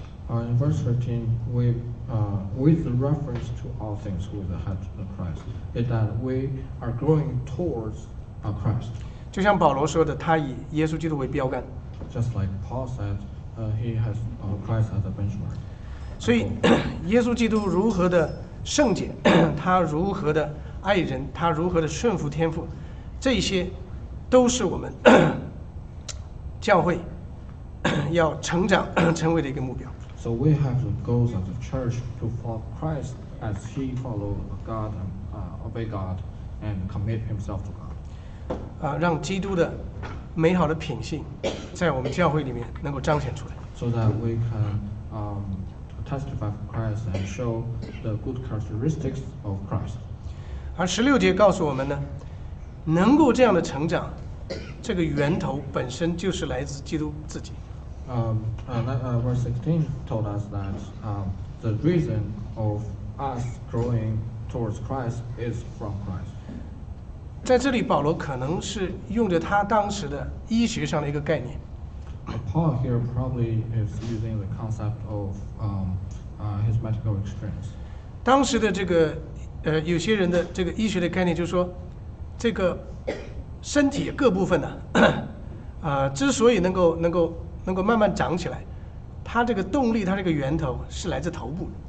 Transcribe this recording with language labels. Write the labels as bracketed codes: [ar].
[en] In verse 13, with the reference to all things with the head of Christ, is that we are growing towards Christ. [zh] 就像保罗说的，他以耶稣基督为标杆。 [en] Just like Paul said, he has Christ as a benchmark. [zh] 所以耶稣基督如何的圣洁，他如何的爱人，他如何的顺服天父，这些都是我们教会要成长成为的一个目标。 [en] So we have the goals of the church to follow Christ as he followed God and obey God and commit himself to God. [zh] 让基督的美好的品性在我们教会里面能够彰显出来。 [en] So that we can testify for Christ and show the good characteristics of Christ. [zh] 而十六节告诉我们呢，能够这样的成长，这个源头本身就是来自基督自己。 [en] verse 16 told us that the reason of us growing towards Christ is from Christ. [zh] 在这里，保罗可能是用着他当时的医学上的一个概念。 [en] Paul here probably is using the concept of his medical experience. [zh] 当时的这个有些人的这个医学的概念就是说，这个身体各部分呢、之所以能够慢慢长起来，它这个动力，它这个源头是来自头部。